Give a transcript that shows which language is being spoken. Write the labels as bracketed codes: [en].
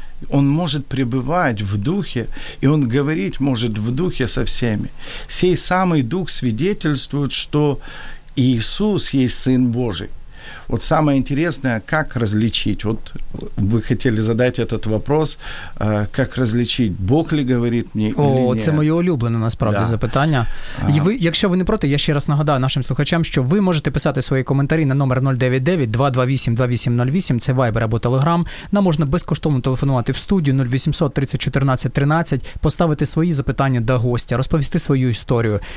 [ru] Он может пребывать в Духе, и Он говорить может в Духе со всеми. Сей самый Дух свидетельствует, что Иисус есть Сын Божий. Вот самое интересное, как различить? Вот вы хотели задать этот вопрос, как различить, Бог ли говорит мне или нет? [uk] О, це моє улюблене, насправді, запитання. І ви, якщо ви не проти, я ще раз нагадаю нашим слухачам, що ви можете писати свої коментарі на номер 099-228-2808, це Viber або Telegram. Нам можна безкоштовно телефонувати в студію 0800 30 14 13, поставити свої запитання до гостя, розповісти свою історію.